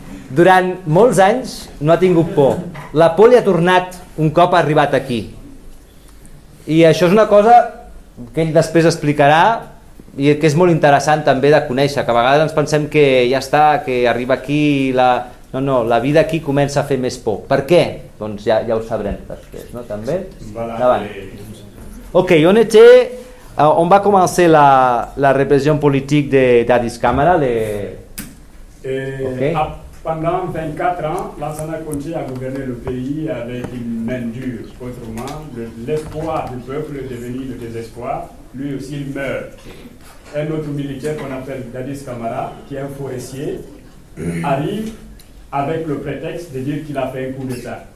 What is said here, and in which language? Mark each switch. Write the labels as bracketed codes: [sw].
[ca] Durant molts anys no ha tingut por. La por li ha tornat un cop arribat aquí. I això és una cosa que ell després explicarà, i que és molt interessant també de conèixer, que a vegades ens pensem que ja està, que arriba aquí la... No, la vida aquí comença a fer més por. Per què? Doncs ja ho sabrem després, no? També? Davant. Ok, on ets? On va començar la repressió política d'Addis Càmara? Okay. [fr] Pendant 24 ans, la Sana continue a gouverner le pays avec une main dure. Autrement, l'espoir du peuple est devenu le désespoir. Lui aussi, il meurt. Un autre militaire qu'on appelle Dadis Camara, qui est un forestier, arrive avec le prétexte de dire qu'il a fait un coup d'État.